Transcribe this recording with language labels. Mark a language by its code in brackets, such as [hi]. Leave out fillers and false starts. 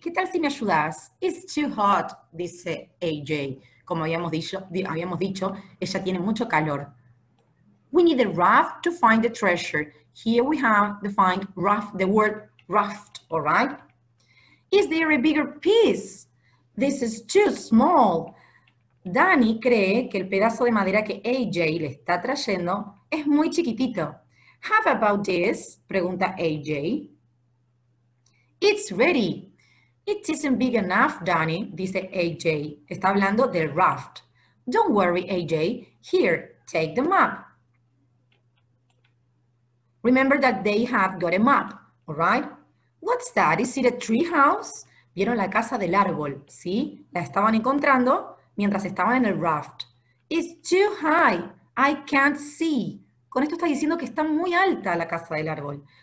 [es] ¿Qué tal si me ayudas? [en] It's too hot, [es] dice AJ. Como habíamos dicho, ella tiene mucho calor. [en] We need a raft to find the treasure. Here we have defined raft, the word raft, all right? Is there a bigger piece? This is too small. [es] Danny cree que el pedazo de madera que AJ le está trayendo es muy chiquitito. [en] How about this? [es] Pregunta AJ. [en] It's ready. It isn't big enough, [es] Danny, dice AJ. Está hablando del raft. [en] Don't worry, AJ. Here, take the map. Remember that they have got a map, all right? What's that? Is it a treehouse? [es] Vieron la casa del árbol, ¿sí? La estaban encontrando mientras estaban en el raft. [en] It's too high. I can't see. [es] Con esto está diciendo que está muy alta la casa del árbol.